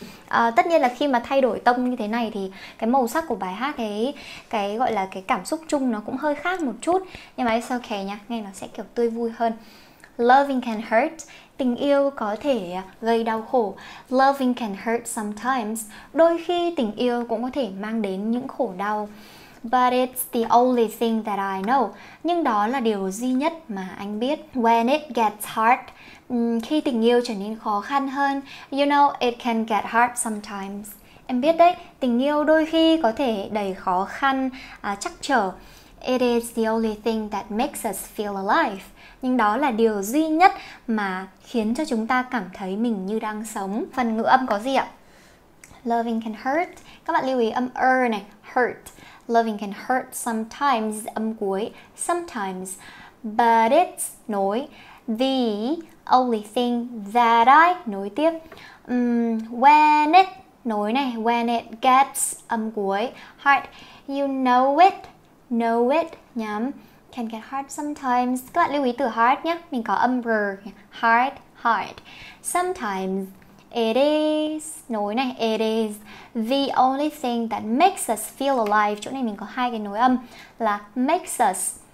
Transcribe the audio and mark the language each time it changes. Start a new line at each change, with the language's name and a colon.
Vietnamese: Rồi, tất nhiên là khi mà thay đổi tông như thế này thì cái màu sắc của bài hát ấy, cái gọi là cái cảm xúc chung nó cũng hơi khác một chút. Nhưng mà
English: it's okay
Vietnamese: nha, nghe nó sẽ kiểu tươi vui hơn.
English: Loving can hurt.
Vietnamese: Tình yêu có thể gây đau khổ.
English: Loving can hurt sometimes.
Vietnamese: Đôi khi tình yêu cũng có thể mang đến những khổ đau.
English: But it's the only thing that I know.
Vietnamese: Nhưng đó là điều duy nhất mà anh biết.
English: When it gets hard.
Vietnamese: Khi tình yêu trở nên khó khăn hơn.
English: You know it can get hard sometimes.
Vietnamese: Em biết đấy, tình yêu đôi khi có thể đầy khó khăn, trắc trở.
English: It is the only thing that makes us feel alive.
Vietnamese: Nhưng đó là điều duy nhất mà khiến cho chúng ta cảm thấy mình như đang sống. Phần ngữ âm có gì ạ?
English: Loving can hurt.
Vietnamese: Các bạn lưu ý âm er này, hurt.
English: Loving can hurt sometimes,
Vietnamese: âm cuối,
English: sometimes. But it's, nối, the only thing that I,
Vietnamese: nối tiếp.
English: When it,
Vietnamese: nối này,
English: when it gets,
Vietnamese: âm cuối,
English: hard. You know it, nhắm. Can get hard sometimes.
Vietnamese: Các bạn lưu ý từ hard nhé. Mình có âm r. Hard, hard.
English: Sometimes it is.
Vietnamese: Nối này.
English: It is the only thing that makes us feel alive.
Vietnamese: Chỗ này mình có hai cái nối âm là makes us.